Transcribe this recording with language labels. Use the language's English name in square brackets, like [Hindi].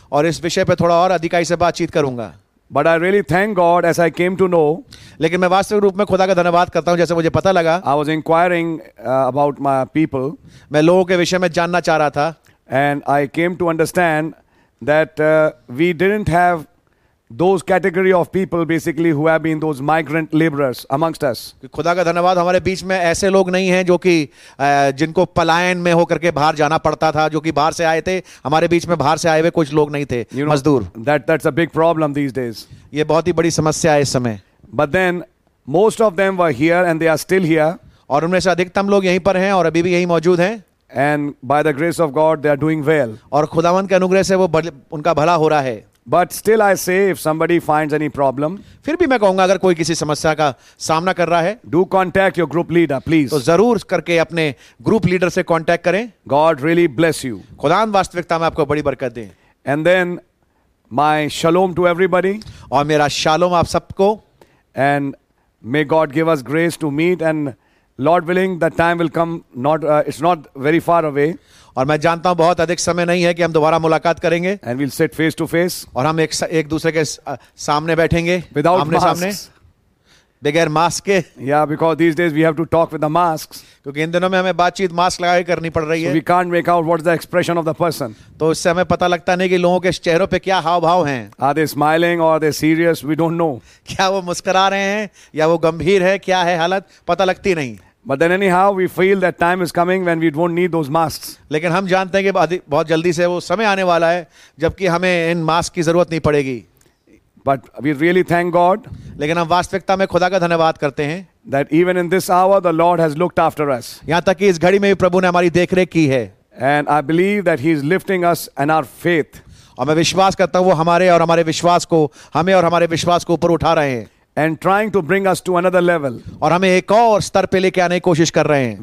[Hindi] और इस विषय पे थोड़ा और अधिकाई से बातचीत करूंगा. [English] But I really thank God as I came to know. [Hindi] लेकिन मैं वास्तविक रूप में खुदा का धन्यवाद करता हूं जैसे मुझे पता लगा. [English] I was inquiring about my people. [Hindi] मैं लोगों के विषय में जानना चाह रहा था. [English] And I came to understand that we didn't have those category of people basically who have been those migrant laborers amongst us. [Hindi] खुदा का धन्यवाद हमारे बीच में ऐसे लोग नहीं हैं जो कि जिनको पलायन में होकर के बाहर जाना पड़ता था, जो कि बाहर से आए थे. हमारे बीच में बाहर से आए हुए कुछ लोग नहीं थे, मजदूर. [English] That's a big problem these days. [Hindi] ये बहुत ही बड़ी समस्या है इस समय. [English] But then most of them were here and they are still here. [Hindi] और उनमें से अधिकतम लोग यहीं पर हैं और अभी भी यहीं मौजूद हैं. [English] And by the grace of God they are doing well. [Hindi] और खुदावंद के अनुग्रह से वो उनका भला हो रहा है. [English] But still I say if somebody finds any problem, [Hindi] फिर भी मैं कहूंगा अगर कोई किसी समस्या का सामना कर रहा है, [English] do contact your group leader, please. [Hindi] तो जरूर करके अपने ग्रुप लीडर से कॉन्टेक्ट करें. [English] God really bless you. [Hindi] खुदा वास्तविकता में आपको बड़ी बरकत दे. [English] And then my shalom to everybody. [Hindi] और मेरा शालोम आप सबको. [English] And may God give us grace to meet and Lord willing, the time will come. It's not very far away. [Hindi] और मैं जानता हूँ बहुत अधिक समय नहीं है कि हम दोबारा मुलाकात करेंगे. [English] And we'll sit face to face. [Hindi] और हम एक दूसरे के सामने बैठेंगे. [English] Without masks. [Hindi] सामने. बगैर मास्क के. [English] Yeah, because these days we have to talk with the masks. [Hindi] क्योंकि इन दिनों में हमें बातचीत मास्क लगाकर करनी पड़ रही है. [English] So we can't make out what's the expression of the person. [Hindi] तो इससे हमें पता लगता नहीं कि लोगों के चेहरों पे क्या हाव-भाव हैं. [English] Are they smiling or are they serious? We don't know. [Hindi] क्या वो मुस्करा रहे हैं या वो गंभीर है, क्या है हालत, पता लगती नहीं. [English] But then anyhow, we feel that time is coming when we won't need those masks. [Hindi] लेकिन हम जानते हैं कि बहुत जल्दी से वो समय आने वाला है जबकि हमें इन मास्क की जरूरत नहीं पड़ेगी. [English] But we really thank God. [Hindi] लेकिन हम वास्तविकता में खुदा का धन्यवाद करते हैं. [English] That even in this hour, the Lord has looked after us. [Hindi] यहाँ तक कि इस घड़ी में भी प्रभु ने हमारी देखरेख की है. [English] And I believe that He is lifting us and our faith. [Hindi] और मैं विश्वास करता हूँ वो हमें और हमारे विश्वास को ऊपर उठा रहे हैं. [English] And trying to bring us to another level. [Hindi] और हमें एक और स्तर पे लेके आने की कोशिश कर रहे हैं.